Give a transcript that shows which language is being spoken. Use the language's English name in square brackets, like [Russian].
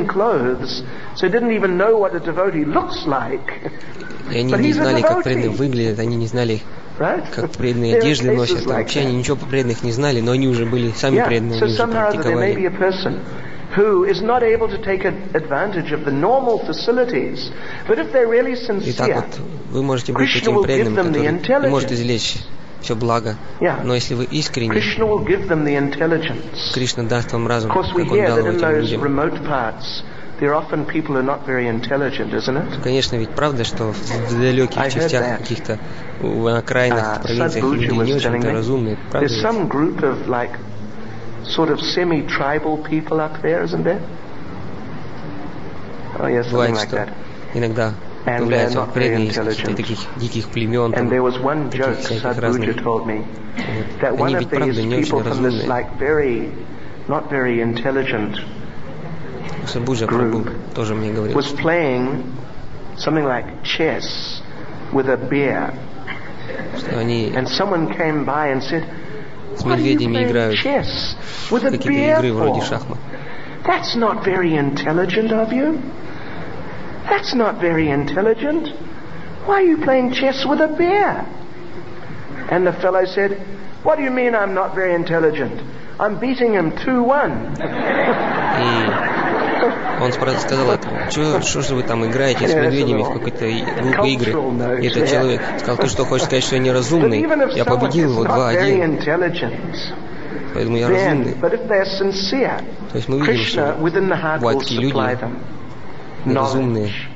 [English] Clothes, so didn't even know what a devotee looks like. [Russian] И они не знали, как преданные выглядят, они не знали, как преданные одежды носят. Там, вообще они ничего про преданных не знали, но они уже были сами преданные, они уже практиковали. [English] Who is not able to take advantage of the normal facilities, but if they're really sincere, [Russian] Итак, вот, вы можете быть [English] Krishna [Russian] этим преданным, который не может извлечь все благо. [English] Yeah. [Russian] Но если вы искренне, [English] Krishna will give them the intelligence. [Russian] Кришна даст вам разум, как Он дал этим людям. [English] Of course, we hear that in those parts, there often people are not very intelligent, isn't it? [Russian] Конечно, ведь правда, что в далеких частях каких-то в окраинах провинциях люди не очень-то разумные. Правда, [English] there's some group of like sort of semi-tribal people up there, isn't there? Oh, yes, something like that. [Russian] Иногда появляются преданные из таких диких племен. [English] And there was one joke Sadhguru told me that one of these people from this like very not very intelligent group was playing something like chess with a bear. And someone came by and said, [Russian] с медведями играют какие-то игры вроде шахмат. [English] That's not very intelligent of you. That's not very intelligent. Why are you playing chess with a bear? And the fellow said, what do you mean I'm not very intelligent? I'm beating him 2-1. [Russian] И он сказал, что же вы там играете с медведями в какой-то глупой игре? И этот человек сказал, ты что, хочешь сказать, что я неразумный? Я победил его 2-1. Поэтому я разумный. То есть мы видим, что ватхи люди неразумные.